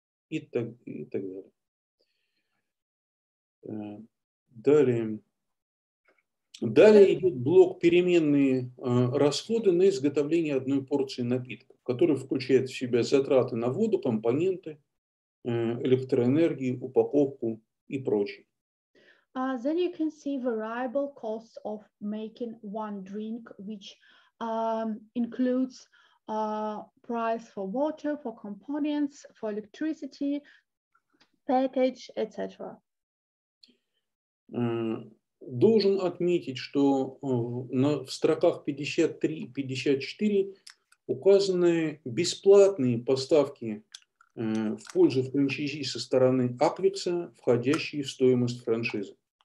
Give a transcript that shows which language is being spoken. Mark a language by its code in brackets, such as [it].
[ru] И так далее. Далее идет блок переменные расходы на изготовление одной порции напитка, который включает в себя затраты на воду, компоненты, электроэнергии, упаковку и прочее. [en] Then you can see variable costs of making one drink, which includes price for water, for components, for electricity, package, etc. [ru] Должен отметить, что в строках 53-54 указаны бесплатные поставки в пользу франчайзи со стороны Аквикса, входящие в стоимость франшизы.